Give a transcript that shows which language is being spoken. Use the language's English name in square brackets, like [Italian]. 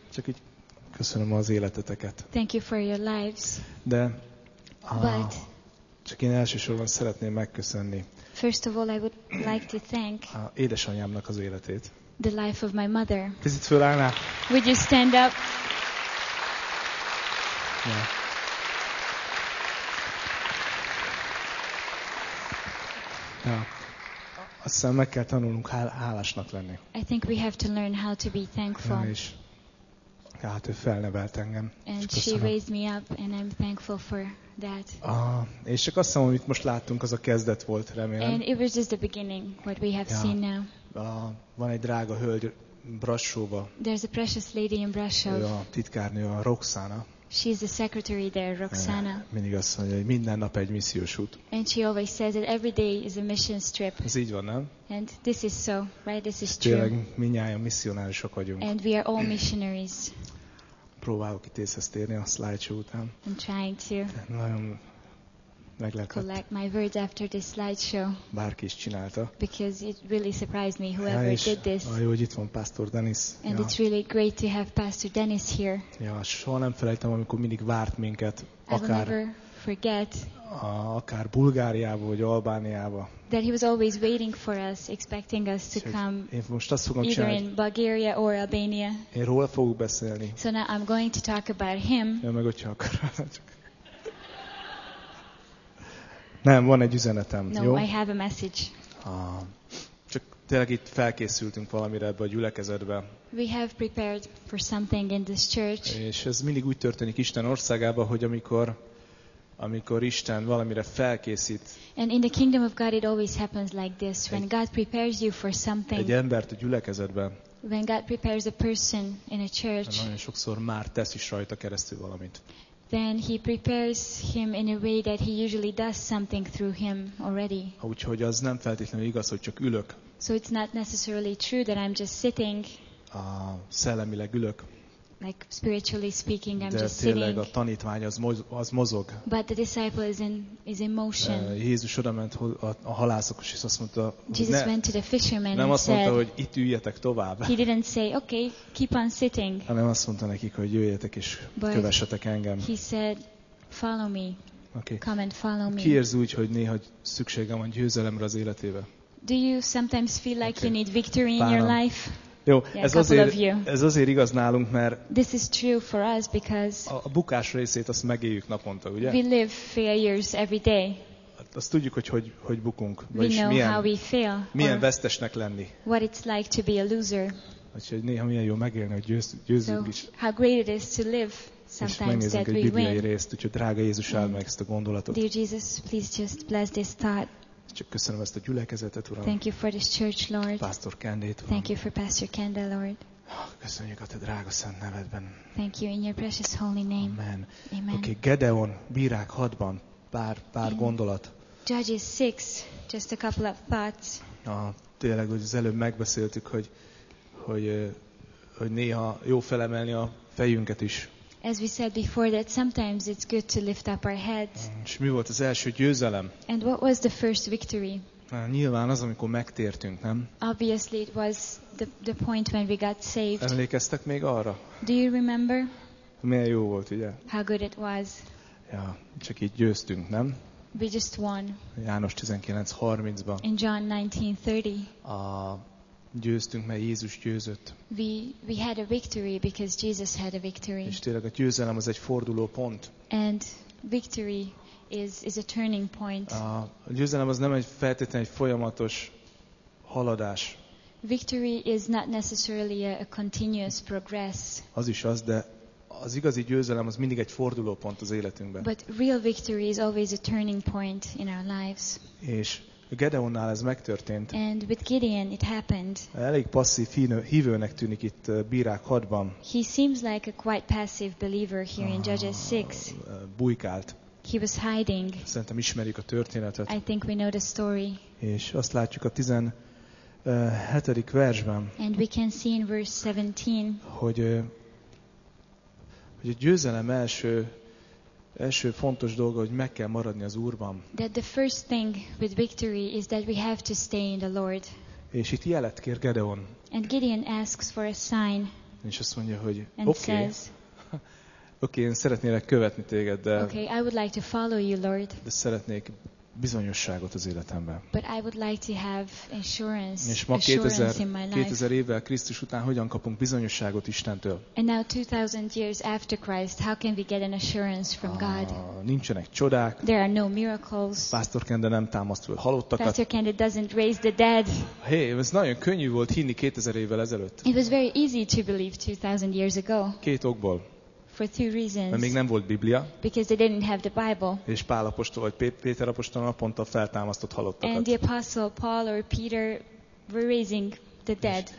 [Hungarian] Csak így köszönöm az életeteket. [English] Thank you for your lives. [Hungarian] De csak én elsősorban szeretném megköszönni. [English] First of all, I would like to thank [Hungarian] édesanyámnak az életét. [English] The life of my mother. [Hungarian] Kicsit fölállná? [English] Would you stand up? Yeah. Ja. [Hungarian] Azt hiszem, meg kell tanulnunk hálásnak lenni. [English] I think we have to learn how to be thankful. [Hungarian] Ja, hát ő felnevelt engem. [English] And she raised me up, and I'm thankful for that. [Hungarian] És csak azt hiszem, amit most láttunk, az a kezdet volt, remélem. [English] And it was just the beginning, what we have seen now. [Hungarian] Van egy drága hölgy Brassóba. [English] There's a precious lady in Brassó. [Hungarian] Ő a titkárnő, a Roxana. [English] She's the secretary there, Roxana. [Hungarian] Mindig azt mondja, hogy minden nap egy missziós út. [English] And she always says that every day is a mission trip. [Hungarian] Ez így van, nem? [English] And this is so, right? This is true. [Hungarian] Tényleg mindnyájan misszionárisok vagyunk. [English] And we are all missionaries. [Hungarian] Próbálok itt észhez térni a slideshow után. [English] I'm trying to. [Hungarian] Nagyon meglepett. [English] Collect my words after this slideshow. [Hungarian] Bárki is csinálta. [English] Because it really surprised me whoever did this. [Hungarian] Jó, hogy itt van Pastor Dennis. [English] And it's really great to have Pastor Dennis here. [Hungarian] Ja, soha nem felejtem, amikor mindig várt minket, akár. [English] I'll never forget. [Hungarian] Akár Bulgáriába vagy Albániába. [English] That he was always waiting for us, expecting us to come. [Hungarian] Én most azt fogom csinálni. [English] In Bulgaria or Albania. [Hungarian] Én róla fogok beszélni. [English] So now I'm going to talk about him. [Hungarian] Ja, meg hogyha akarok. Nem, van egy üzenetem, no, jó? [English] No, I have a message. [Hungarian] Csak tényleg itt felkészültünk valamire ebbe a gyülekezetbe. [English] We have prepared for something in this church. [Hungarian] És ez mindig úgy történik Isten országában, hogy amikor Isten valamire felkészít. [English] And in the kingdom of God it always happens like this. When God prepares you for something. [Hungarian] Egy embert a gyülekezetbe. [English] When God prepares a person in a church. [Hungarian] Nagyon sokszor már tesz is rajta keresztül valamit. [English] Then he prepares him in a way that he usually does something through him already. [Hungarian] Úgyhogy az nem feltétlenül igaz, hogy csak ülök. [English] So it's not necessarily true that I'm just sitting. [Hungarian] Szellemileg ülök. [English] Like spiritually speaking, I'm [Hungarian] De [English] just sitting. [Hungarian] De tényleg a tanítvány az mozog. [English] But the disciple is in motion. [Hungarian] Jézus oda ment a halászokhoz, és azt mondta, [English] Jesus went to the fishermen [Hungarian] nem [English] and [Hungarian] azt mondta, [English] said, [Hungarian] hogy itt üljetek tovább. [English] He didn't say, okay, keep on sitting. [Hungarian] Hanem azt mondta nekik, hogy jöjjetek és [English] But [Hungarian] kövessetek engem. [English] He said, follow me. Okay. Come and follow me. [Hungarian] Ki érzi úgy, hogy néha szüksége van győzelemre az életébe? [English] Do you sometimes feel like okay. you need victory in your life? [Hungarian] Jó, ez azért igaz nálunk, mert [English] This is true for us because [Hungarian] a bukás részét azt megéljük naponta, ugye? [English] We live failures every day. [Hungarian] Azt tudjuk, hogy bukunk, [English] we know [Hungarian] milyen, [English] how we fail, [Hungarian] milyen vesztesnek lenni. [English] What it's like to be a loser. [Hungarian] Úgyhogy néha milyen jó megélni, hogy győzünk [English] so [Hungarian] is. [English] How great it is to live sometimes that we win. [Hungarian] És megnézzük egy bibliai részt, úgyhogy drága Jézus áld meg ezt a gondolatot. [English] Dear Jesus, please just bless this thought. [Hungarian] Csak köszönöm ezt a gyülekezetet, Uram. [English] Thank you for this church, Lord. [Hungarian] Pastor Kendét, Uram. [English] Thank you for Pastor Kendall, Lord. [Hungarian] Köszönjük a te drága szent nevedben. [English] Thank you in your precious holy name. Amen. Amen. [Hungarian] Okay, Gedeon, Bírák 6-ban pár gondolat. [English] Judges 6, just a couple of thoughts. [Hungarian] Tényleg, hogy az előbb megbeszéltük, hogy néha jó felemelni a fejünket is. [English] As we said before, that sometimes it's good to lift up our heads. [Hungarian] És mi volt az első győzelem? [English] And what was the first victory? [Hungarian] Nyilván az, amikor megtértünk, nem? [English] Obviously, it was the point when we got saved. [Hungarian] Emlékeztek még arra? [English] Do you remember? [Hungarian] Milyen jó volt, ugye? [English] How good it was. [Hungarian] Ja, csak így győztünk, nem? [English] We just won. [Hungarian] János 19:30-ban. [English] In John 19:30. [Hungarian] Győztünk, mert Jézus győzött. [English] We had a victory because Jesus had a victory. [Hungarian] És tényleg a győzelem az egy forduló pont. [English] And victory is a turning point. [Hungarian] A győzelem az nem egy feltétlenül egy folyamatos haladás. [English] Victory is not necessarily a continuous progress. [Hungarian] Az is az, de az igazi győzelem az mindig egy forduló pont az életünkben. [English] But real victory is always a turning point in our lives. [Hungarian] És Gedeonnál ez megtörtént. [English] And with Gideon it happened. [Hungarian] Elég passzív hívőnek tűnik itt Bírák 6-ban. [English] He seems like a quite passive believer here in Judges 6. [Hungarian] Bujkált. [English] He was hiding. [Hungarian] Szerintem ismerjük a történetet. [English] I think we know the story. [Hungarian] És azt látjuk a 17. versben. [English] And we can see in verse 17. [Hungarian] Hogy a győzelem első Első fontos dolga, hogy meg kell maradni az Úrban. [English] That the first thing with victory is that we have to stay in the Lord. [Hungarian] És itt jelet kér Gedeon. [English] And Gideon asks for a sign. [Hungarian] És azt mondja, hogy oké, én szeretnélek követni téged, de [English] okay, I would like to follow you, Lord. [Hungarian] De szeretnék bizonyosságot az életemben. [English] But I would like to have assurance. [Hungarian] És ma 2000 évvel Krisztus után hogyan kapunk bizonyosságot Istentől? [English] And now 2000 years after Christ, how can we get an assurance from God? [Hungarian] Nincsenek csodák. [English] There are no miracles. [Hungarian] Pásztor Kende nem támaszt föl halottakat. [English] Pastor Kende doesn't raise the dead. [Hungarian] Hey, ez nagyon könnyű volt hinni 2000 évvel ezelőtt. [English] It was very easy to believe 2000 years ago. [Hungarian] Két okból. [English] For two reasons. [Hungarian] Mert még nem volt Biblia. [English] Because they didn't have the Bible. [Hungarian] És Pál apostol vagy Péter apostol naponta feltámasztott halottakat. [English] And the apostle Paul or Peter were raising the dead.